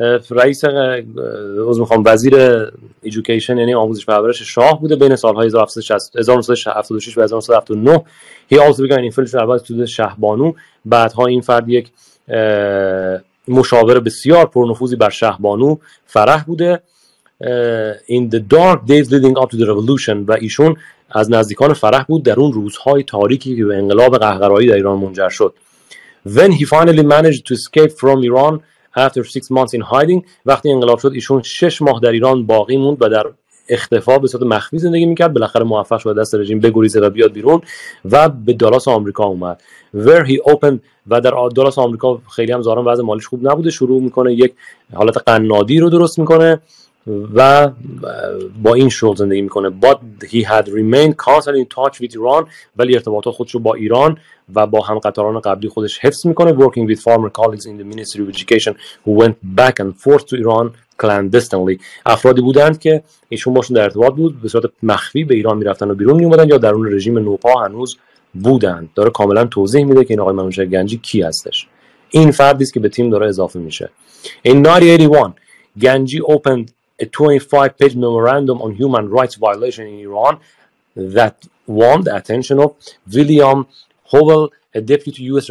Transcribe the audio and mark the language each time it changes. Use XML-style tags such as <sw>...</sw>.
<fa>رئیس وزیر ایژوکیشن یعنی آموزش پرورش شاه بوده بین سالهای 1976 و 1979.</fa> <en>He also began influential advisor to the Shah Banu.</en> <fa>بعدها این فرد یک مشاور بسیار پرنفوذی بر شاه بانو فرح بوده.</fa> <en>In the dark days leading up to the revolution.</en> <fa>و ایشون از نزدیکان فرح بود در اون روزهای تاریکی که به انقلاب قهقرایی در ایران منجر شد.</fa> <en>When he finally managed to escape from Iran after 6 months in hiding.</en> <fa>وقتی انقلاب شد ایشون 6 ماه در ایران باقی موند و در اختفا به صورت مخفی زندگی میکرد. بالاخره موفق شد دست رژیم بگریزه و بیاد بیرون و به دالاس آمریکا اومد.</fa> <en>Where he opened</en> <fa>و در دالاس آمریکا خیلی هم ظاهرا وضع مالیش خوب نبوده، شروع میکنه یک حالت قنادی رو درست میکنه و با این شغل زندگی میکنه.</fa> <en>But he had remained constantly in touch with Iran.</en> <fa>ولی ارتباطات خودش رو با ایران و با همقطاران قبلی خودش حفظ میکنه.</fa> <en>Working with former colleagues in the Ministry of Education who went back and forth to Iran clandestinely.</en> <fa>افرادی بودند که ایشون باشون در ارتباط بود، به صورت مخفی به ایران میرفتن و بیرون میومدن یا درون رژیم نوپا هنوز بودند. داره کاملا توضیح میده که این آقای منوچهر گنجی کی هستش. این فردی است که به تیم داره اضافه میشه.</fa> <en>In 1981 Ganji opened a 25-page memorandum on human rights violation in Iran that won the attention of William Howell, a deputy U.S.</en>